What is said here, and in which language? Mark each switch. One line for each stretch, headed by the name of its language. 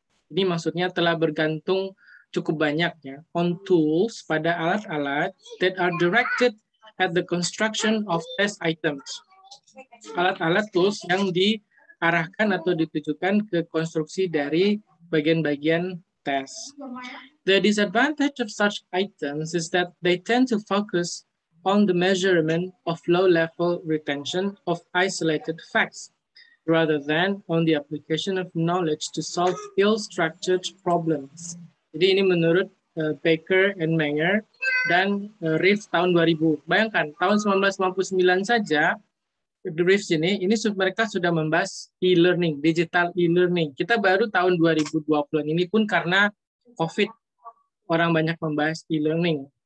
Indonesian: Ini maksudnya telah bergantung cukup banyak ya
English: on tools,
Indonesian: pada alat-alat
English: that are directed at the construction of test items.
Indonesian: Alat-alat tools yang diarahkan atau ditujukan ke konstruksi dari bagian-bagian tes.
English: The disadvantage of such items is that they tend to focus on the measurement of low-level retention of isolated facts rather than on the application of knowledge to solve ill-structured problems.
Indonesian: Jadi ini menurut Baker and Meyer dan Reeves tahun 2000. Bayangkan, tahun 1999 saja, the Reeves ini mereka sudah membahas e-learning, digital e-learning. Kita baru tahun 2020 ini pun karena COVID, orang banyak membahas e-learning.